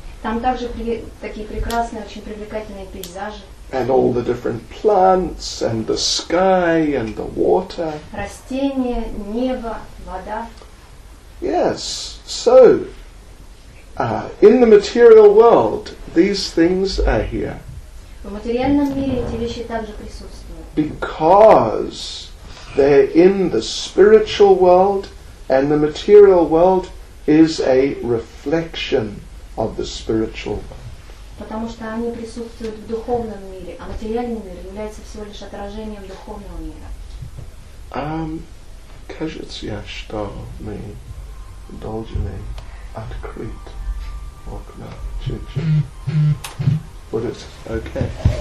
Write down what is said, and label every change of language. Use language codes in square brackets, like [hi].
[ru] Там также такие прекрасные, очень привлекательные пейзажи. [en] And all the different plants and the sky and the water. [ru] Растения, небо, вода. [en] Yes. So in the material world, these things are here. [ru] В материальном мире эти вещи также присутствуют. [en] Because they're in the spiritual world, and the material world is a reflection of the spiritual world. [ru] Потому что они присутствуют в духовном мире, а материальный мир является всего лишь отражением духовного мира. Кажется, что мы должны открыть. Окна, чуть-чуть. Будет, окей.